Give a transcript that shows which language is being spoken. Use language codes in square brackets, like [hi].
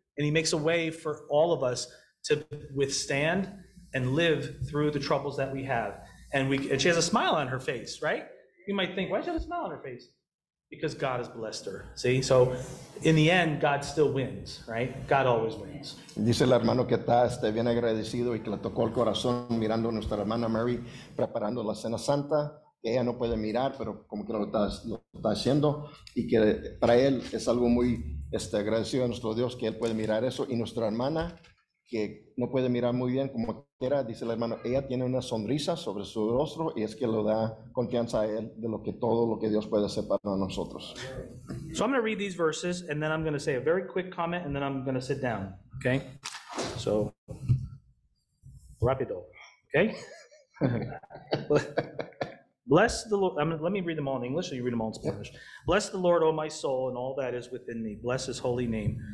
[en] And he makes a way for all of us to withstand and live through the troubles that we have. And she has a smile on her face, right? You might think, why does she have a smile on her face? Because God has blessed her, see? So in the end, God still wins, right? God always wins. [es] Dice el hermano que está bien agradecido y que le tocó el corazón mirando a nuestra hermana Mary preparando la cena santa. Ella no puede mirar, pero como que lo está haciendo, y que para él es algo muy agradecido a nuestro Dios que él puede mirar eso. Y nuestra hermana, que no puede mirar muy bien, como quiera, dice la hermana, ella tiene una sonrisa sobre su rostro, y es que lo da confianza a él de lo que todo lo que Dios puede hacer para nosotros. [en] So I'm going to read these verses, and then I'm going to say a very quick comment, and then I'm going to sit down, okay? So, [es] rápido, [en] okay? Bless the Lord. Let me read them all in English, or you read them all in Spanish. Yep. Bless the Lord, O my soul, and all that is within me. Bless his holy name.